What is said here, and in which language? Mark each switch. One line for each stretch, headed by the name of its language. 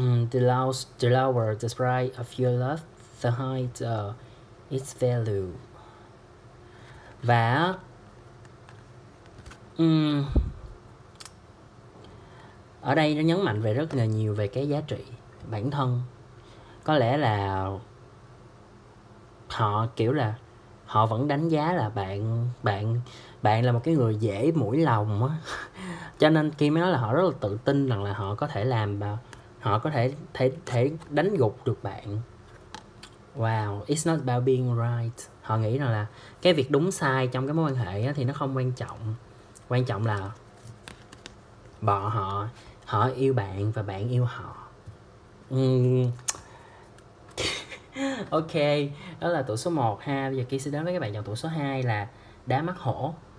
English: The lower the price of your love, the higher the its value.
Vietnamese: Và ở đây nó nhấn mạnh về rất là nhiều về cái giá trị bản thân. Có lẽ là họ kiểu là họ vẫn đánh giá là bạn bạn bạn là một cái người dễ mũi lòng á. Cho nên khi mới nói là họ rất là tự tin rằng là họ có thể làm và họ có thể thể thể đánh gục được bạn.
English: Wow, it's not about being right.
Vietnamese: Họ nghĩ rằng là cái việc đúng sai trong cái mối quan hệ á, thì nó không quan trọng. Quan trọng là bọn họ họ yêu bạn và bạn yêu họ. Ok, đó là tụ số 1 ha. Bây giờ Ki sẽ đến với các bạn chọn tụ số 2 là đá mắt hổ.